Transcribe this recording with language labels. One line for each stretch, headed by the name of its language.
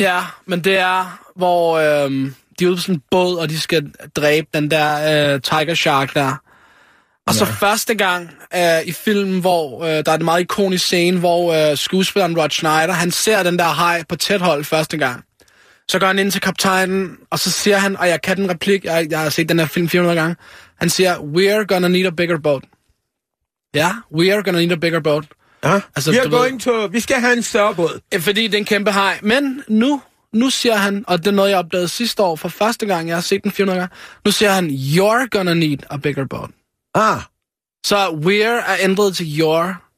Danish: Ja, men det er, hvor de er ude på sådan en båd, og de skal dræbe den der tiger shark der. Og så første gang i filmen, hvor der er en meget ikonisk scene, hvor skuespilleren Rod Schneider, han ser den der haj på tæt hold første gang. Så går han ind til kaptajnen, og så siger han, og jeg kan den replik, jeg har set den der film 400 gange. Han siger,
English: we're gonna need a bigger boat. Ja, we're gonna need a bigger boat.
Danish: Ja, altså, vi skal have en større båd. Fordi det er en kæmpe haj. Men nu siger han, og det er noget, jeg opdagede sidste år, for første gang, jeg har set den 400 gange. Nu siger han,
English: you're gonna need a bigger boat. Ah.
Danish: Så we're er ændret til your.